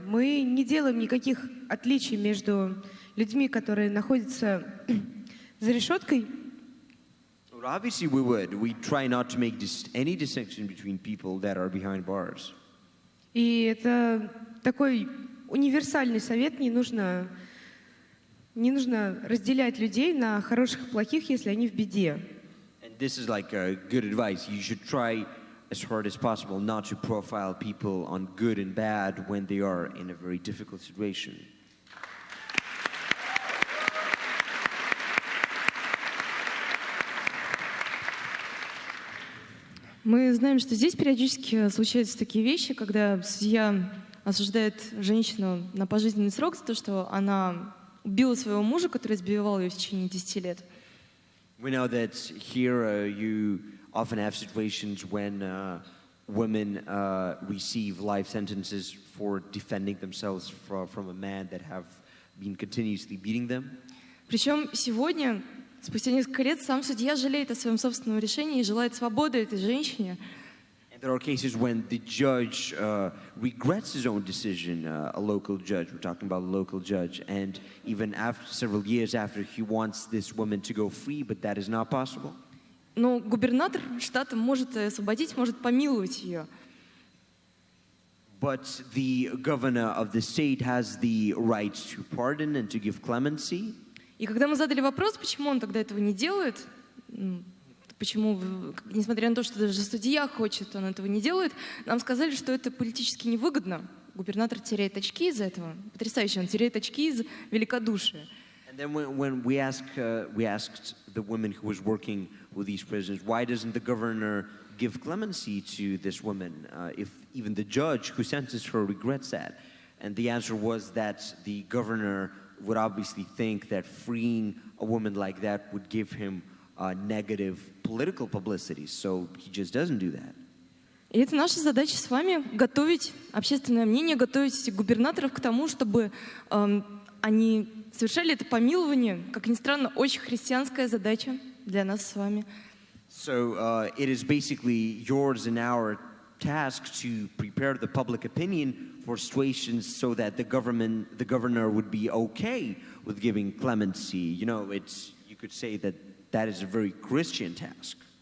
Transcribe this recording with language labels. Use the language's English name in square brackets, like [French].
[Russian] Мы не делаем никаких отличий между людьми, которые находятся за решеткой. [English] Well, obviously we would. We try not to make any distinction between people that are behind bars. [Russian] И это такой универсальный совет. Не нужно разделять людей на хороших и плохих, если они в беде. [English] And this is like a good advice. You should try as hard as possible not to profile people on good and bad when they are in a very difficult situation. [Russian] Мы знаем, что здесь периодически случаются такие вещи, когда судья осуждает женщину на пожизненный срок за то, что она убила своего мужа, который избивал ее в течение 10 лет. [English] We know that here you often have situations when women receive life sentences for defending themselves from a man that have been continuously beating them. [Russian] Причем сегодня, спустя несколько лет, сам судья жалеет о своем собственном решении и желает свободы этой женщине. [English] There are cases when the judge regrets his own decision, a local judge, we're talking about a local judge, and even after several years after, he wants this woman to go free, but that is not possible. [Russian] Но губернатор штата может освободить, может помиловать ее. [English] But the governor of the state has the right to pardon and to give clemency. [Russian] И когда мы задали вопрос, почему он тогда этого не делает, почему, несмотря на то, что даже судья хочет, он этого не делает, нам сказали, что это политически невыгодно. Губернатор теряет очки из-за этого. Потрясающе, он теряет очки из-за великодушия. [English] And then when we asked the woman who was working with these prisoners, why doesn't the governor give clemency to this woman, if even the judge who sentenced her regrets that? And the answer was that the governor would obviously think that freeing a woman like that would give him negative political publicity, so he just doesn't do that. [Russian] И это наша задача с вами — готовить общественное мнение, готовить губернаторов к тому, чтобы они совершали это помилование. Как ни странно, очень христианская задача для нас с вами. [English] So it is basically yours and our task to prepare the public opinion for situations so that the governor would be okay with giving clemency. You know, it's you could say that. That is a very Christian task.